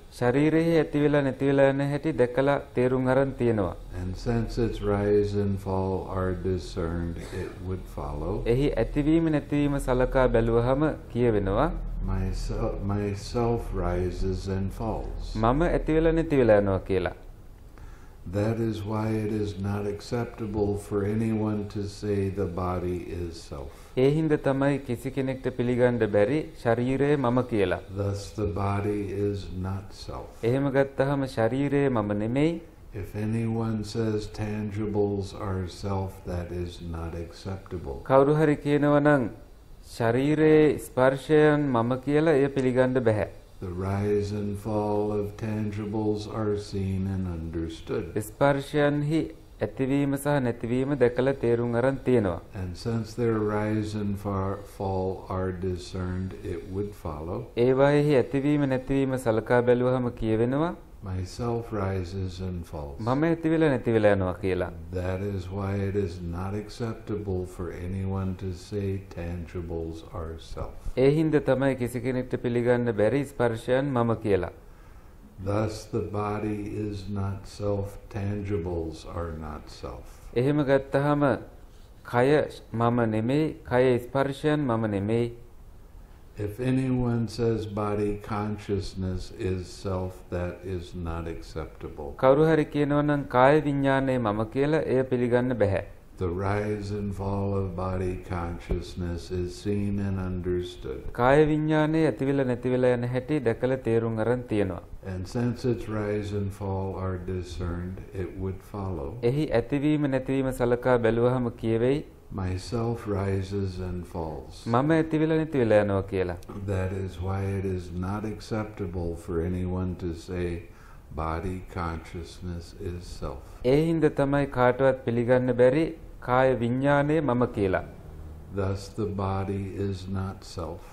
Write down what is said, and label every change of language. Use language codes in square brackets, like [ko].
[si] ශරීරයේ ඇතිවිලා නැතිවිලා යන හැටි දැකලා තේරුම් අරන් තියෙනවා. [en] And since its rise and fall are discerned, it would follow. [si] එහි ඇතිවීම නැතිවීම සලකා බැලුවහම කියවෙනවා. [en] Myself rises and falls. [si] මම ඇතිවිලා නැතිවිලා යනවා කියලා. [en] That is why it is not acceptable for anyone to say the body is self. [si] එහින්ද තමයි කිසි කෙනෙක්ට පිළිගන්න බැරි ශරීරය මම කියලා. [en] Thus the body is not self. [si] එහෙම ගත්තහම ශරීරය මම නෙමෙයි. [en] If anyone says tangibles are self, that is not acceptable. [si] කවුරු හරි කියනවනම් ශරීරයේ ස්පර්ශයන් මම කියලා එය පිළිගන්න බෑ. [en] The rise and fall of tangibles are seen and understood. [si] ස්පර්ශයන්හි ඇතිවීම සහ නැතිවීම දැකලා තේරුම් අරන් තියෙනවා. [en] And since their rise and fall are discerned, it would follow. [si] ඒවයෙහි ඇතිවීම නැතිවීම සලකා බැලුවහම කියවෙනවා. [en] Myself rises and falls. [si] මම ඇතිවිලා නැතිවිලා යනවා කියලා. [en] That is why it is not acceptable for anyone to say tangibles are self. [si] එහින්ද තමයි කිසි කෙනෙක්ට පිළිගන්න බැරි ස්පර්ශයන් මම කියලා. [en] Thus the body is not self, tangibles are not self. [si] එහෙම ගත්තහම කය මම නෙමෙයි, කය ස්පර්ශයන් මම නෙමෙයි. [en] If anyone says body consciousness is self, that is not acceptable. [si] කවුරු හරි කියනවනම් කාය විඥානය මම කියලා එය පිළිගන්න බෑ. [en] The rise and fall of body consciousness is seen and understood. [si] කාය විඥානය ඇතිවිලා නැතිවිලා යන හැටි දැකලා තේරුම් අරන් තියෙනවා. [en] And since its rise and fall are discerned, it would follow. [si] එහි ඇතිවීම නැතිවීම සලකා බැලුවහම කියවෙයි. [en] Myself rises and falls. [si] මම ඇතිවිලා නැතිවිලා යනවා කියලා. [en] That is why it is not acceptable for anyone to say body consciousness is self. [si] එහින්ද තමයි කාටවත් පිළිගන්න බැරි කාය විඥානය මම කියලා. [en] Thus the body is not self.